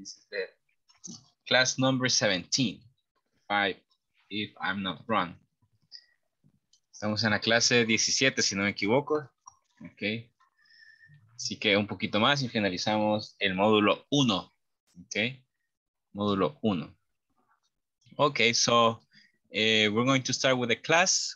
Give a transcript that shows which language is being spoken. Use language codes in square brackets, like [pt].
[en] This is the class number 17, if I'm not wrong. [es] Estamos en la clase 17, si no me equivoco. Okay. Así que un poquito más y finalizamos el módulo 1. Okay. Módulo 1. [en] Okay, so we're going to start with the class.